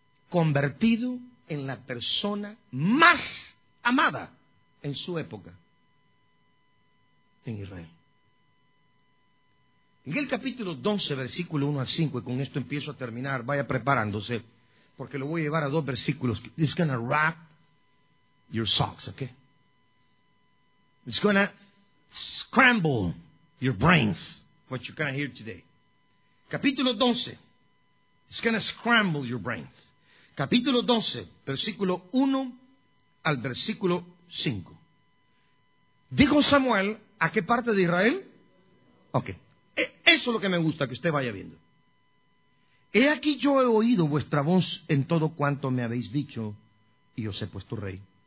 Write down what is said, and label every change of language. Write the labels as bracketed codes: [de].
[es] Convertido en la persona más amada en su época en Israel. En el capítulo 12, versículo 1 al 5, y con esto empiezo a terminar, vaya preparándose, porque lo voy a llevar a dos versículos. [en] It's gonna rock your socks, okay? It's gonna scramble your brains, what you're gonna hear today. [es] Capítulo 12, [en] it's gonna scramble your brains. [es] Capítulo 12, versículo 1 al versículo 5. ¿Dijo Samuel a qué parte de Israel? Ok. Eso es lo que me gusta, que usted vaya viendo. He aquí, yo he oído vuestra voz en todo cuanto me habéis dicho, y os he puesto rey.